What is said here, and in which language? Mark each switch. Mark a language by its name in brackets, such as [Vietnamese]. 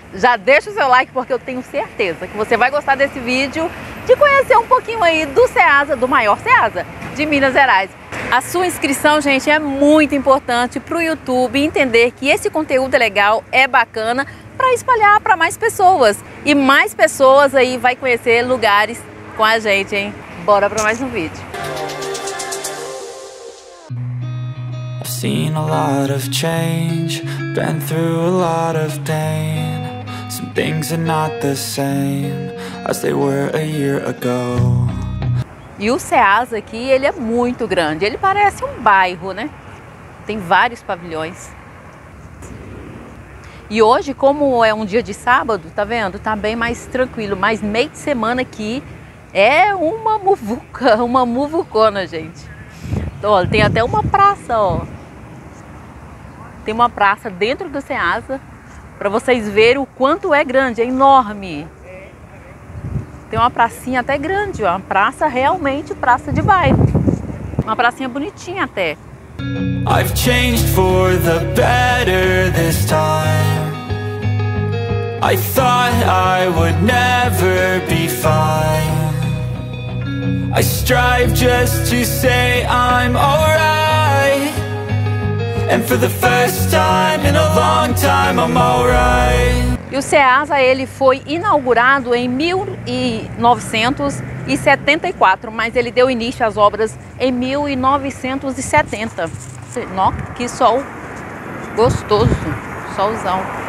[Portuguese] Já deixa o seu like porque eu tenho certeza que você vai gostar desse vídeo, de conhecer um pouquinho aí do Ceasa, do maior Ceasa de Minas Gerais. A sua inscrição, gente, é muito importante para o YouTube entender que esse conteúdo é legal, é bacana, para espalhar para mais pessoas. E mais pessoas aí vai conhecer lugares com a gente, hein? Bora para mais um vídeo. [English] I've seen a lot of change, been through a lot of pain. Some things are not the same as they were a year ago. [Portuguese] E o Ceasa aqui, ele é muito grande. Ele parece um bairro, né? Tem vários pavilhões. E hoje, como é um dia de sábado, tá vendo? Tá bem mais tranquilo. Mas meio de semana aqui é uma muvuca, uma muvucona, gente. Então, ó, tem até uma praça, ó. Tem uma praça dentro do Ceasa, pra vocês verem o quanto é grande, é enorme. Tem uma pracinha até grande, ó. Uma praça realmente praça de bairro. Uma pracinha bonitinha até. [English] I've changed for the better this time. I thought I would never be fine. I strive just to say I'm alright. And for the first time in a long time I'm alright. [Portuguese] E o Ceasa, ele foi inaugurado em 1974, mas ele deu início às obras em 1970. Nossa, que sol gostoso, solzão.